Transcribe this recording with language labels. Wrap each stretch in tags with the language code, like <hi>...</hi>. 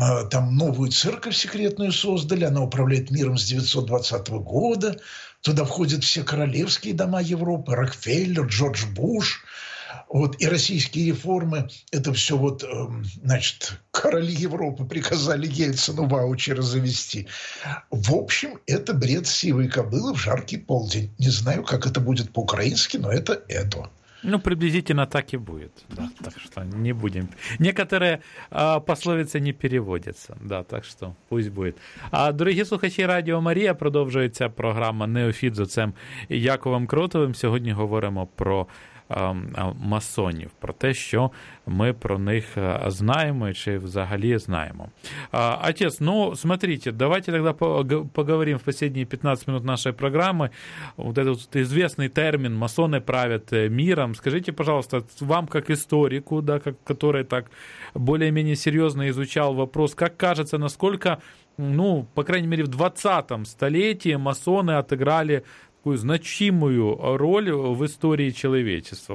<ru>там новую церковь секретную создали, она управляет миром с 920 года, туда входят все королевские дома Европы, Рокфеллер, Джордж Буш, вот, и российские реформы, это все вот, значит, короли Европы приказали Ельцину ваучеры завести. В общем, это бред сивой кобылы в жаркий полдень. Не знаю, как это будет по-украински, но это. Ну, приблизительно так и будет, да, так что не будем. Некоторые пословицы не переводятся, да, так что пусть будет.</ru> <uk>А, дорогі слухачі Радіо Марія, продовжується програма «Неофіт» з оцем Яковом Кротовим. Сьогодні говоримо про масонів, про те, що ми про них знаємо, чи взагалі знаємо.</uk> <ru>Отец, ну, смотрите, давайте тогда поговорим в последние 15 минут нашей программы. Вот этот известный термин «масоны правят миром». Скажите, пожалуйста, вам как историку, да, который так более-менее серьезно изучал вопрос, как кажется, насколько, ну, по крайней мере, в 20-м столетии масоны отыграли такую значимую роль в истории человечества.</ru>